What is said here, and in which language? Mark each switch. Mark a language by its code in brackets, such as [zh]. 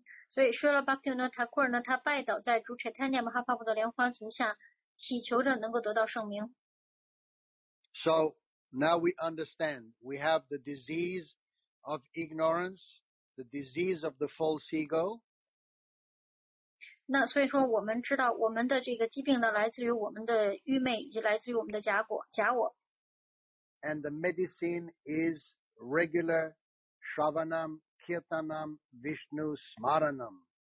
[zh] 所以说了，Bhaktivinoda Thakur呢，他拜倒在主Chaitanya Mahaprabhu的莲花足下，祈求着能够得到圣名。So [en] now we understand, we have the disease of ignorance, the disease of the false ego. [zh] 那所以说，我们知道我们的这个疾病呢，来自于我们的愚昧，以及来自于我们的假我。And [en] the medicine is regular Shravanam, Kirtanam, Vishnu, Smaranam.